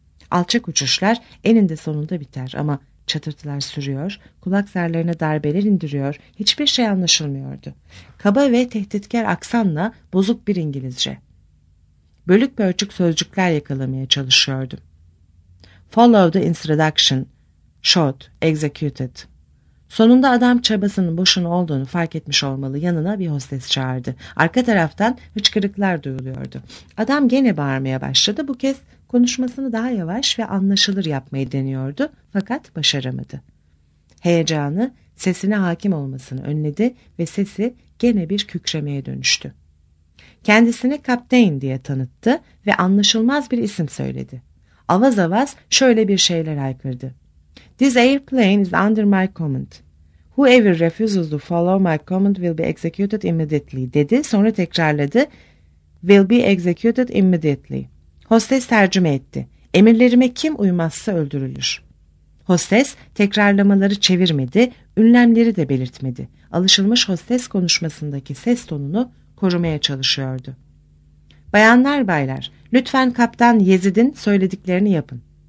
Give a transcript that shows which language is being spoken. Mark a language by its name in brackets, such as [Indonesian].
[Turkish] Alçak uçuşlar eninde sonunda biter ama çatırtılar sürüyor, kulak zarlarına darbeler indiriyor, hiçbir şey anlaşılmıyordu. Kaba ve tehditkar aksanla bozuk bir İngilizce. Bölük pörçük sözcükler yakalamaya çalışıyordum. [English] Follow the instruction, shot, executed. [Turkish] Sonunda adam çabasının boşuna olduğunu fark etmiş olmalı, yanına bir hostes çağırdı. Arka taraftan hıçkırıklar duyuluyordu. Adam gene bağırmaya başladı. Bu kez konuşmasını daha yavaş ve anlaşılır yapmayı deniyordu fakat başaramadı. Heyecanı sesine hakim olmasını önledi ve sesi gene bir kükremeye dönüştü. Kendisini Kaptein diye tanıttı ve anlaşılmaz bir isim söyledi. Avaz avaz şöyle bir şeyler haykırdı. [English] This airplane is under my command. Whoever refuses to follow my command will be executed immediately [Turkish] dedi. Sonra tekrarladı. [English] Will be executed immediately. [Turkish] Hostes tercüme etti. Emirlerime kim uymazsa öldürülür. Hostes tekrarlamaları çevirmedi, ünlemleri de belirtmedi. Alışılmış hostes konuşmasındaki ses tonunu korumaya çalışıyordu. Bayanlar baylar, lütfen Kaptan Yezid'in söylediklerini yapın.